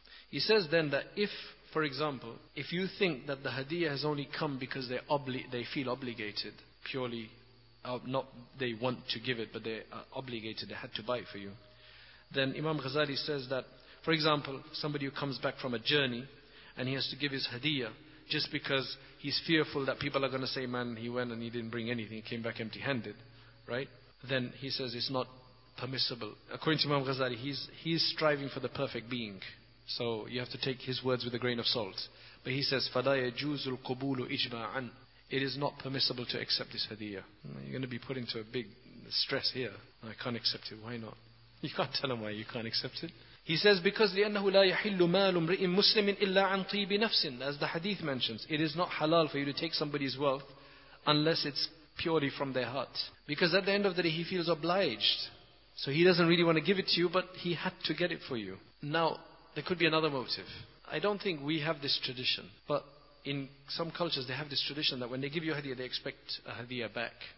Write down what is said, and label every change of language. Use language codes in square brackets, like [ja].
[en] He says then that if, for example, if you think that the hadiyah has only come because they feel obligated, purely, not they want to give it, but they are obligated, they had to buy it for you, then Imam Ghazali says that, for example, somebody who comes back from a journey and he has to give his hadiyah just because he's fearful that people are going to say, man, he went and he didn't bring anything, he came back empty-handed, right? Then he says it's not permissible. According to Imam Ghazali, he's striving for the perfect being. So you have to take his words with a grain of salt. But he says, [ar] فَلَا يَجُوزُ الْقُبُولُ إِجْمَاعًا. [en] It is not permissible to accept this hadiyah. You're going to be put into a big stress here. I can't accept it. Why not? You can't tell him why you can't accept it. He says, because [ar] لِأَنَّهُ لَا يَحِلُّ مَالُ امْرِئٍ مُسْلِمٍ إِلَّا عَنْ طِيبِ نَفْسٍ. [en] As the hadith mentions, it is not halal for you to take somebody's wealth unless it's purely from their heart. Because at the end of the day, he feels obliged. So he doesn't really want to give it to you, but he had to get it for you. Now, there could be another motive. I don't think we have this tradition, but in some cultures they have this tradition that when they give you a hadiah, they expect a hadiah back.